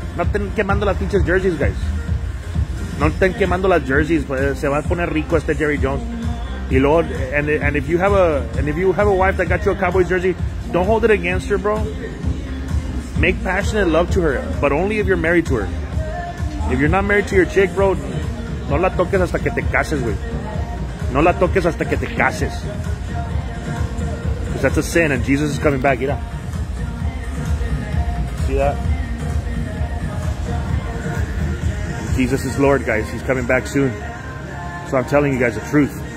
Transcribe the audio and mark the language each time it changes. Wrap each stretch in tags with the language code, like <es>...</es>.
<es>No estén quemando las pinches jerseys, guys. No estén quemando las jerseys. Se va a poner rico este Jerry Jones. Y luego,</es> <en>and if you have a wife that got you a Cowboys jersey, don't hold it against her, bro. Make passionate love to her, but only if you're married to her. If you're not married to your chick, bro,</en> <es>No la toques hasta que te cases, güey. No la toques hasta que te cases.</es> <en>Because that's a sin and Jesus is coming back.</en> <es>Mira.</es> <en>See that? Jesus is Lord, guys. He's coming back soon. So I'm telling you guys the truth.</en>